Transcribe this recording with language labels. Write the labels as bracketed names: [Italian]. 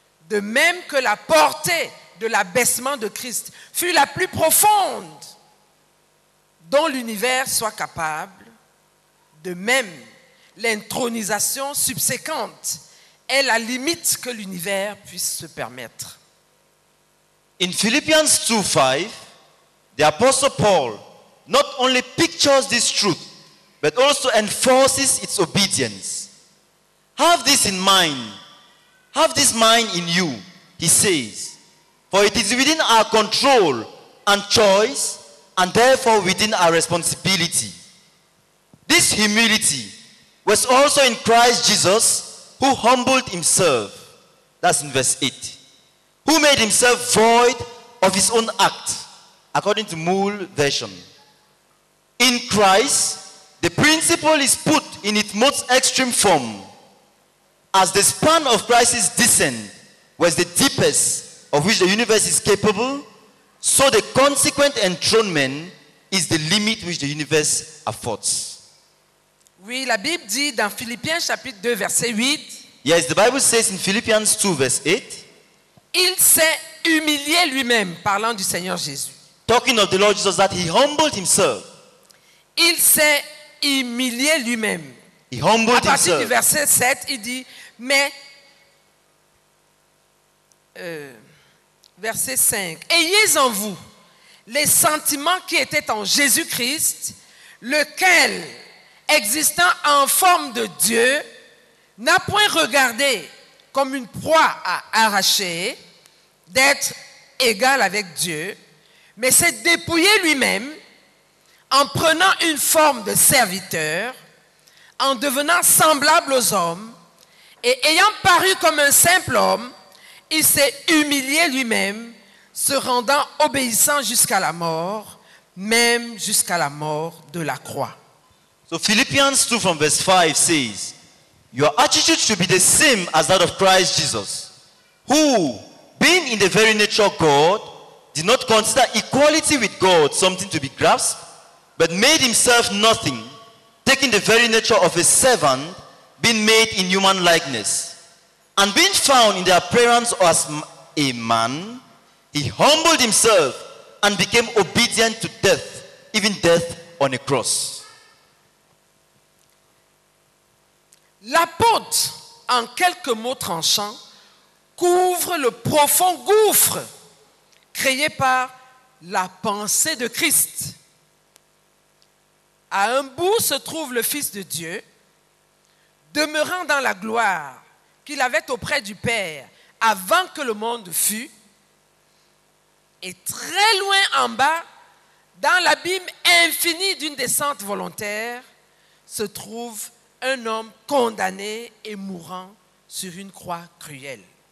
[French] De même que la portée de l'abaissement de Christ fut la plus profonde dont l'univers soit capable, de même l'intronisation subséquente est la limite que l'univers puisse se permettre. [English] In Philippians 2:5, the Apostle Paul not only pictures this truth, but also enforces its obedience. Have this in mind. Have this mind in you, he says. For it is within our control and choice, and therefore within our responsibility. This humility was also in Christ Jesus, who humbled himself. That's in verse 8. Who made himself void of his own act, according to Moule version. In Christ, the principle is put in its most extreme form. As the span of Christ's descent was the deepest of which the universe is capable, so the consequent enthronement is the limit which the universe affords. [French] Oui, la Bible dit dans Philippiens chapitre 2, verset 8. [English] Yes, the Bible says in Philippians 2, verse 8. [French] Il s'est humilié lui-même, parlant du Seigneur Jésus. [English] Talking of the Lord Jesus, that he humbled himself. [French] Il s'est humilié lui-même. [English] He humbled himself. [French] À partir Du verset 7, il dit, mais... verset 5. Ayez en vous les sentiments qui étaient en Jésus-Christ, lequel, existant en forme de Dieu, n'a point regardé comme une proie à arracher d'être égal avec Dieu, mais s'est dépouillé lui-même en prenant une forme de serviteur, en devenant semblable aux hommes, et ayant paru comme un simple homme, il s'est humilié lui-même, se rendant obéissant jusqu'à la mort, même jusqu'à la mort de la croix. [English] So Philippians 2 from verse 5 says, your attitude should be the same as that of Christ Jesus, who, being in the very nature of God, did not consider equality with God something to be grasped, but made himself nothing, taking the very nature of a servant, being made in human likeness. And being found in the appearance as a man, he humbled himself and became obedient to death, even death on a cross. [French] L'apôtre, en quelques mots tranchants, couvre le profond gouffre créé par la pensée de Christ. À un bout se trouve le Fils de Dieu, demeurant dans la gloire qu'il avait auprès du Père avant que le monde fût, et très loin en bas, dans l'abîme infini d'une descente volontaire, se trouve un homme condamné et mourant sur une croix cruelle.